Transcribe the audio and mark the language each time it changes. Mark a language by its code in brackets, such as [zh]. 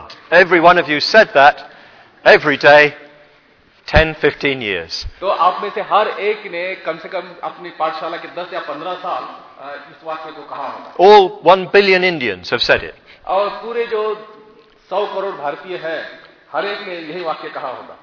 [en] Every one of you said that every day 10-15 years. [hi] So, आप में से हर एक ने कम से कम अपनी पाठशाला के 10 या 15 साल इस वाक्य को कहा होगा. [en] All 1 billion Indians have said it. [hi] और पूरे जो 100 करोड़ भारतीय हैं, हर एक ने यही वाक्य कहा होगा.